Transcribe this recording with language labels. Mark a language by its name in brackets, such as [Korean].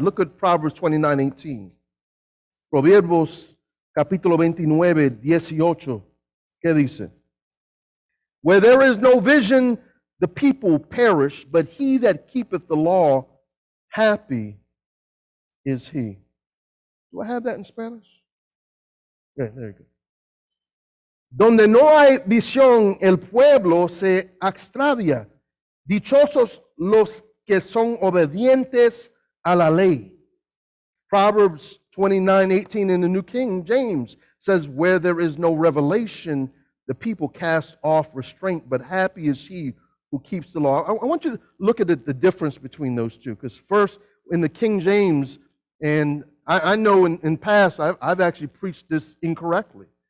[English] Look at Proverbs 29:18. [Spanish] Proverbios, capítulo 29, 18, ¿qué dice? [English] Where there is no vision, the people perish, but he that keepeth the law, happy is he. Do I have that in Spanish? Yeah, there you go. [Spanish] Donde no hay visión, el pueblo se extravía. Dichosos los que son obedientes a la ley. [English] Proverbs 29:18 in the New King James says, where there is no revelation, the people cast off restraint, but happy is he who keeps the law. I want you to look at the difference between those two. Because first, in the King James, and I know in past, I've actually preached this incorrectly.